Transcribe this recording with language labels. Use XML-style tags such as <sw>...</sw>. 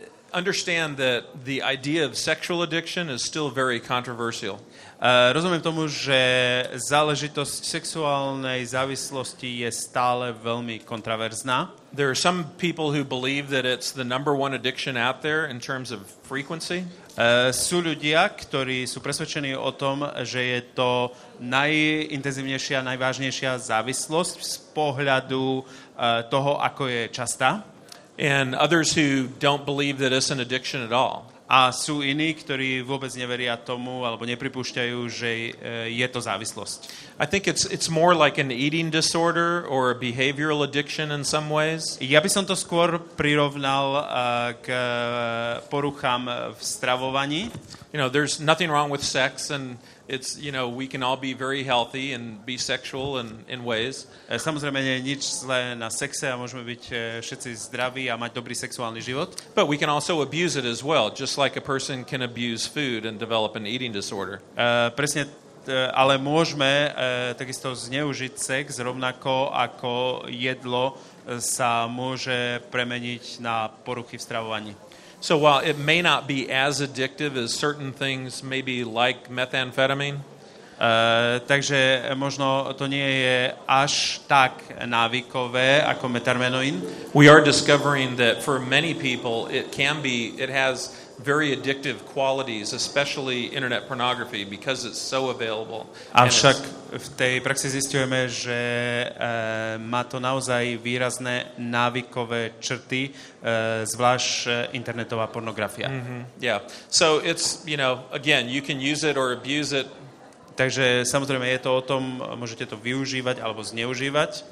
<en>understand that the idea of sexual addiction is still very controversial.</en> <sk>Rozumiem tomu, že záležitosť sexuálnej závislosti je stále veľmi kontroverzná.</sk> <en>There are some people who believe that it's the number one addiction out there in terms of frequency.</en> <sk>Sú ľudia, ktorí sú presvedčení o tom, že je to najintenzívnejšia, najvážnejšia závislosť z pohľadu toho, ako je častá.</sk> <en>And others who don't believe that it's an addiction at all.</en> <sk>A sú iní, ktorí vôbec neveria tomu alebo nepripúšťajú, že je to závislosť.</sk> <en>I think it's more like an eating disorder or a behavioral addiction in some ways.</en> <sk>Ja by som to skôr prirovnal k poruchám v stravovaní.</sk> <en>You know, there's nothing wrong with sex and it's, you know, we can all be very healthy and be sexual and in ways.</en> <sk>Samozrejme nie je nič zlé na sexe a môžeme byť všetci zdraví a mať dobrý sexuálny život.</sk> <en>But we can also abuse it as well, just like a person can abuse food and develop an eating disorder.</en> <sk>Presne, ale môžeme takisto zneužiť sex rovnako ako jedlo sa môže premeniť na poruchy v stravovaní.</sk> <en>So while it may not be as addictive as certain things, maybe like methamphetamine.</en> <sk>Takže možno to nie je až tak návykové ako metamfetamín.</sk> <en>We are discovering that for many people it has very addictive qualities, especially internet pornography, because it's so available.</en> <sk>Avšak v tej praxi zistujeme, že má to naozaj výrazné návykové črty, zvlášť internetová pornografia.</sk> <en>Mm-hmm. Yeah. So it's, you know, again, you can use it or abuse it.</en> <sk>Takže samozrejme je to o tom, môžete to využívať alebo zneužívať.</sk>